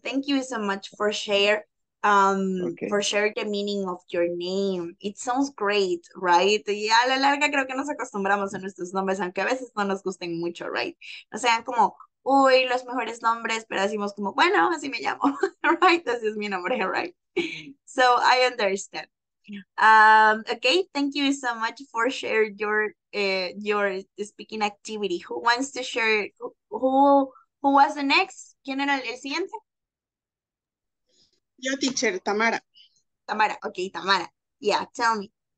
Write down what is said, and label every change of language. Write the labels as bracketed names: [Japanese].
[English] Thank you so much for for share the meaning of your name. It sounds great, right? [Spanish] Y a la larga creo que nos acostumbramos a nuestros nombres, aunque a veces no nos gusten mucho, right? O sea, como uy, los mejores nombres, pero decimos como, bueno, así me llamo, right? Así es mi nombre, right? [English] So, I understand. Okay, thank you so much for share your speaking activity. Who wants to share, who was the next? [Spanish] ¿Quién era el siguiente? Yo, teacher, Tamara. [English] Tamara, okay, Tamara. Yeah, tell me.